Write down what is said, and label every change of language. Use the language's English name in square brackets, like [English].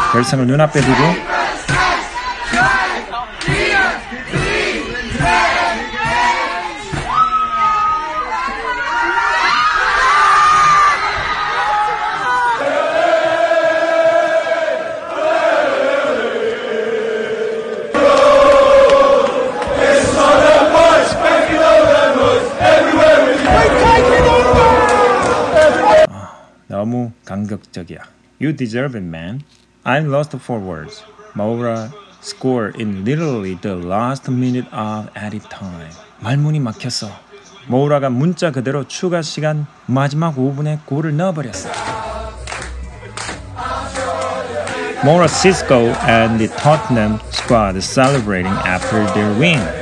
[Korean] 결승을 눈앞에 두고 너무 감격적이야. [English] You deserve it, man. I'm lost for words. Moura scored in literally the last minute of added time. [Korean] 말문이 막혔어. 모우라가 문자 그대로 추가 시간 마지막 5분에 골을 넣어버렸어. [English] Moura, Sisco and the Tottenham squad celebrating after their win.